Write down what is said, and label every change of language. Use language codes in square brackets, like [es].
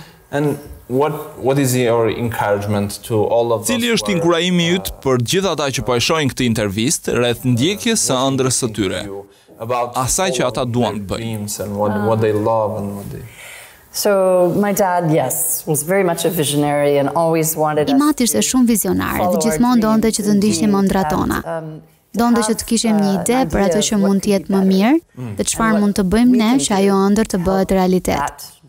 [en] And what is your encouragement to all of us? [sq] Cili është inkurajimi yt për gjithë ata që po e shohin këtë intervistë rreth ndjekjes së ëndrrës së tyre? Asaj që ata duan të bëjnë. [en] So my dad, yes, was very much a visionary and always wanted us. [sq] Imat ishte shumë vizionar dhe gjithmonë donte që të ndiqnim ëndrrat tona. Donde që të kishim një ide për atë që mund të jetë më mirë dhe çfarë mund të bëjmë ne që ajo ëndër të bëhet realitet.